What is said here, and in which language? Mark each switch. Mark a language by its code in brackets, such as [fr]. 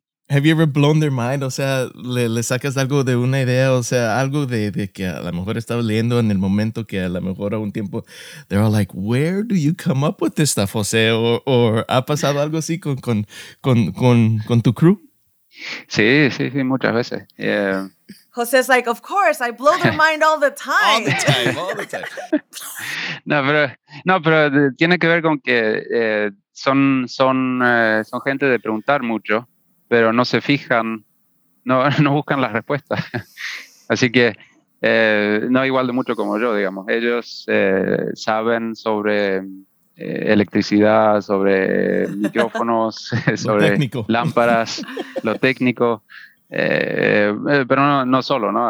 [en] Have you ever blown their mind? [es] O sea, le sacas algo de una idea, o sea, algo de que a lo mejor estaba leyendo en el momento que a lo mejor a un tiempo, [en] they're all like, where do you come up with this stuff, José? [es] Or ha pasado algo así con tu crew? Sí, muchas veces. [en] José's like, of course, I blow their mind all the time. All the time, all the time. [es] No, pero tiene que ver con que son gente de preguntar mucho, pero no se fijan, no buscan las respuestas. Así que no igual de mucho como yo, digamos. Ellos saben sobre electricidad, sobre micrófonos, sobre lámparas, lo técnico, pero no solo, ¿no?